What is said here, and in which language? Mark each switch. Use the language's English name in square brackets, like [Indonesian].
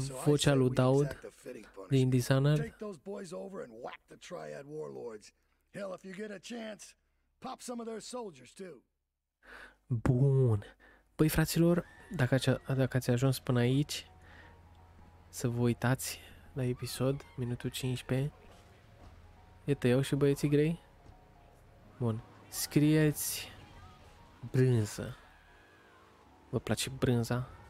[Romanian] vocea lui Daud din Designer. [English] Take those boys over and whack the Triad warlords. Hell, if you get a chance, pop some of their soldiers too. [Romanian] Bun. Băi, fraților, dacă ați ajuns până aici, să vă uitați la episod, minutul 15. Iată, iau și băieții grei. Bun. Scrieți brânză. Vă place brânza?